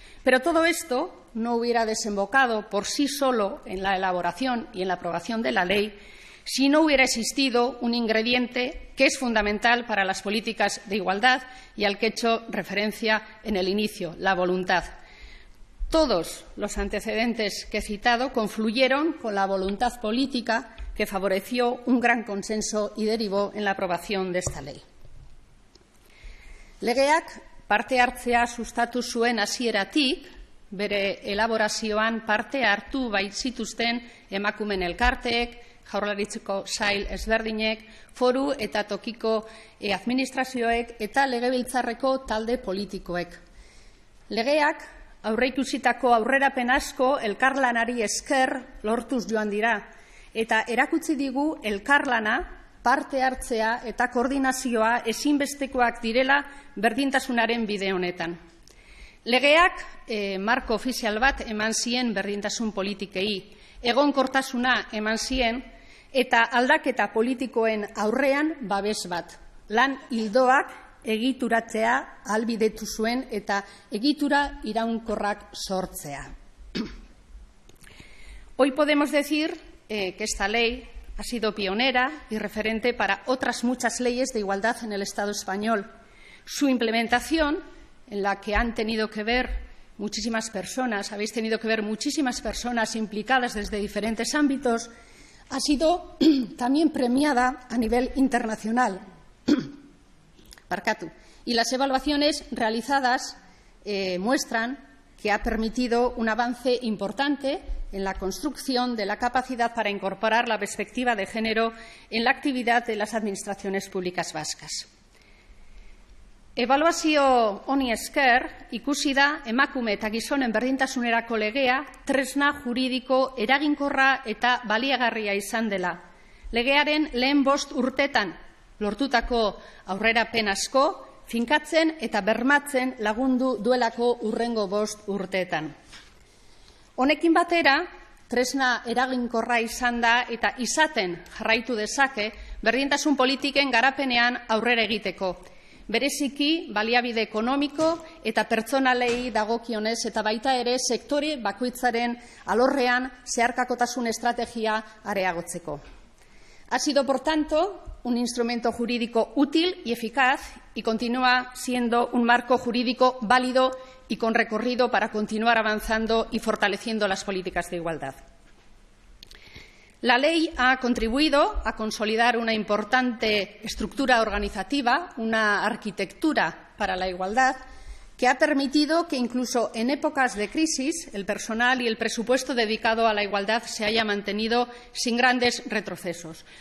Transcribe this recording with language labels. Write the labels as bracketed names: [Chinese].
[Spanish] Pero todo esto no hubiera desembocado por sí solo en la elaboración y en la aprobación de la ley si no hubiera existido un ingrediente que es fundamental para las políticas de igualdad y al que he hecho referencia en el inicio, la voluntad. Todos los antecedentes que he citado confluyeron con la voluntad política que favoreció un gran consenso y derivó en la aprobación de esta ley. [Basque] Legeak parte hartzea sustatu zuen hasieratik, bere elaborazioan parte hartu baitzituzten emakumen elkarteek, Jaurlaritzako sail ezberdinek, foru eta tokiko administrazioek eta legebiltzarreko talde politikoek. Legeak aurreikusitako aurrerapen asko elkarlanari esker lortuz joan dira eta erakutsi digu elkarlana, parte hartzea eta koordinazioa ezinbestekoak direla berdintasunaren bide honetan. Legeak marko ofizial bat eman zien berdintasun politikei, egonkortasuna eman zien eta aldaketa politikoen aurrean babes bat. Lan ildoak egituratzea ahalbidetu zuen eta egitura iraunkorrak sortzea. [Spanish] Hoy podemos decir que esta ley ha sido pionera y referente para otras muchas leyes de igualdad en el Estado español. Su implementación, en la que han tenido que ver muchísimas personas, habéis tenido que ver muchísimas personas implicadas desde diferentes ámbitos, ha sido también premiada a nivel internacional. Y las evaluaciones realizadas muestran que ha permitido un avance importante en la construcción de la capacidad para incorporar la perspectiva de género en la actividad de las administraciones públicas vascas. [Basque] Evaluazio honi esker, ikusi da emakume eta gizonen berdintasunerako legea tresna juridiko eraginkorra eta baliagarria izan dela. Legearen lehen bost urtetan lortutako aurrerapen asko, finkatzen eta bermatzen lagundu duelako urrengo bost urteetan. Honekin batera, tresna eraginkorra izan da eta izaten jarraitu dezake berdintasun politiken garapenean aurrera egiteko. Bereziki, baliabide ekonomiko eta pertsonalei dagokionez eta baita ere sektore bakoitzaren alorrean zeharkakotasun estrategia areagotzeko. [Spanish] Ha sido, por tanto, un instrumento jurídico útil y eficaz y continúa siendo un marco jurídico válido y con recorrido para continuar avanzando y fortaleciendo las políticas de igualdad. La ley ha contribuido a consolidar una importante estructura organizativa, una arquitectura para la igualdad, que ha permitido que incluso en épocas de crisis el personal y el presupuesto dedicado a la igualdad se haya mantenido sin grandes retrocesos.